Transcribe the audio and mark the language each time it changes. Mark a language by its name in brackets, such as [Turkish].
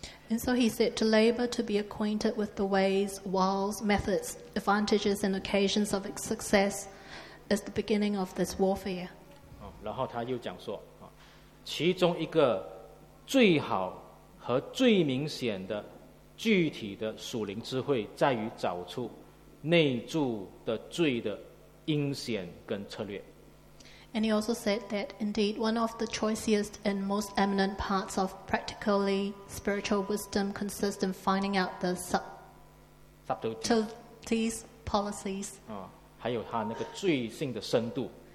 [English] And so he said to labor to be acquainted with the ways, walls, methods, advantages, and occasions of success is the beginning of this warfare. [Chinese] 然后他又讲说，其中一个最好和最明显的具体的属灵智慧，在于找出内住的罪的因显跟策略。 [English] And he also said that indeed one of the choicest and most eminent parts of practically spiritual wisdom consists in finding out the subtleties, policies, [Chinese] 还有他那个罪性的深度,